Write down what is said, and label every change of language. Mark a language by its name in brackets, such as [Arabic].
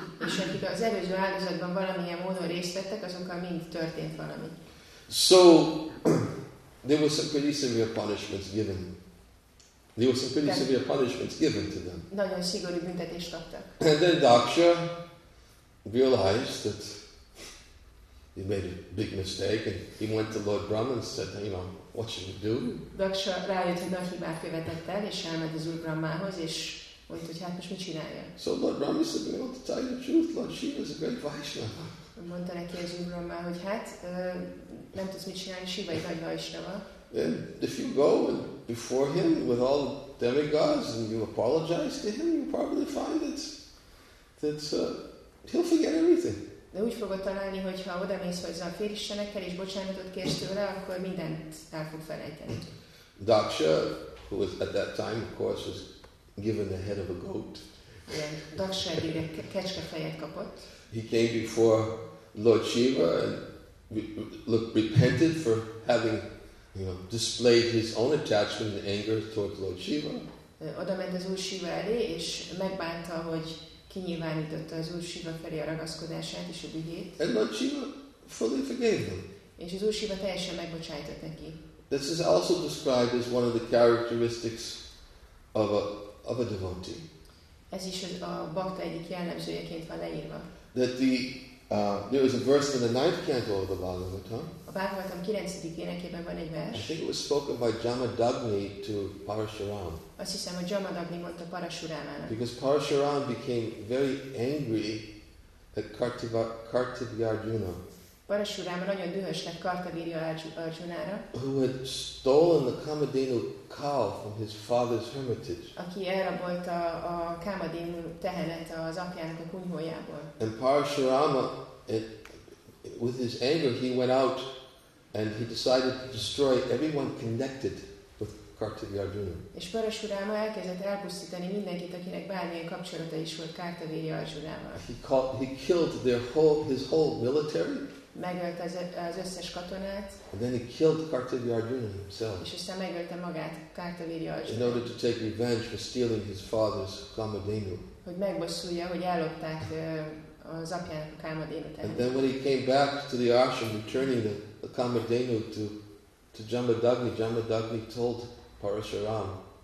[Hungarian] És akik az előző áldozatban valamilyen módon részt vettek, azokkal mind történt valami. [English] So there was some pretty severe punishments given. There was some pretty severe punishments given to them. [Hungarian] Nagyon szigorú büntetést kaptak. [English] And then Daksha realized that he made a big mistake, and he went to Lord Brahma and said, "You know, what should we do?" [Hungarian] Daksha rájött, hogy nagy hibát követett el, és elment az Úr Brahmához, és mondta, hogy hát most mit csinálja? [English] So Lord Brahma said, "We want to tell you the truth, Lord Shiva is a great Vaishnava." [Hungarian] Mondta neki az Úr Brahma, hogy hát nem tudsz mit csinálni, Shiva egy nagy Vaishnava. [English] Then if you go before him with all demigods and you apologize to him, you probably find that he'll forget everything. [Hungarian] De úgy fogod találni, hogyha oda mész hozzá a félistenekkel és bocsánatot kérsz tőle, akkor mindent el fog felejteni. [English] Daksha, who was at that time, of course, was given the head of a goat. [Hungarian] Igen, Daksha egyre kecskefejet kapott. [English] He came before Lord Shiva and repented for having, you know, displayed his own attachment and anger towards Lord Shiva. [Hungarian] Oda ment az Úr Shiva elé, és megbánta, hogy kinyilvánította az Úr Shiva felé a ragaszkodását és a dühét. [English] And Lord Shiva fully forgave him. [Hungarian] És az Úr Shiva teljesen megbocsájtott neki. [English] This is also described as one of the characteristics of a devotee. [Hungarian] Ez is a bhakta egyik jellemzőjeként van leírva. [English] That there is a verse in the ninth canto of the Bhagavata. [Hungarian] A Bhagavatam 9. énekében van egy vers. [English] I think it was spoken by Jamadagni to Parashuram. [Hungarian] Azt hiszem, hogy Jamadagni mondta Parashuramának. [English] Because Parashuram became very angry at Kartavirya Arjuna. [Hungarian] Parashuram nagyon dühös lett Kartavirya Arjunára. [English] Who had stolen the Kamadhenu cow from his father's hermitage. [Hungarian] Aki elrabolta a Kamadhenu tehenet az apjának a kunyhójából. [English] And Parashurama, with his anger, he went out and he decided to destroy everyone connected with Kartavirya Arjuna. [Hungarian] És Parashurama elkezdett elpusztítani mindenkit, akinek bármilyen kapcsolata is volt Kartavirya Arjunával. [English] He killed his whole military. [Hungarian] Megölt az összes katonát. [English] And then he killed Kartavirya Arjuna himself. [Hungarian] És aztán megölte magát Kartavirya Arjuna. [English] In order to take revenge for stealing his father's Kamadhenu. [Hungarian] Hogy megbosszulja, hogy ellopták az apjának a Kamadhenu tehenet. [English] And then when he came back to the ashram, returning the Kamadhenu to Jamadagni, Jamadagni told Parashuram.